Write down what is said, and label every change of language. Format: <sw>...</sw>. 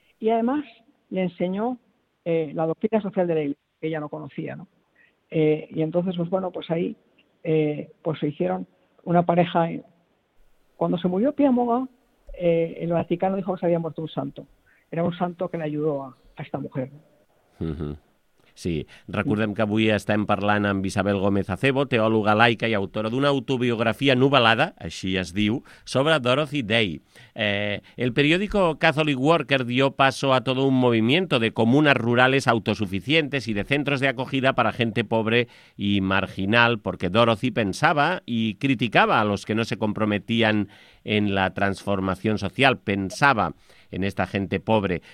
<es>Y además le enseñó la doctrina social de la Iglesia, que ella no conocía, ¿no? Y entonces, ahí se hicieron una pareja. Cuando se murió Pía Moga, el Vaticano dijo que se había muerto un santo. Era un santo que le ayudó a esta mujer. Uh-huh.</es> <ca>Sí, recordem que avui estem parlant amb Isabel Gómez Acebo, teòloga laica i autora d'una autobiografia nuvelada, així es diu, sobre Dorothy Day.</ca> <es>El periódico Catholic Worker dio paso a todo un movimiento de comunas rurales autosuficientes y de centros de acogida para gente pobre y marginal, porque Dorothy pensaba y criticaba a los que no se comprometían en la transformación social, pensaba en esta gente pobre.</es>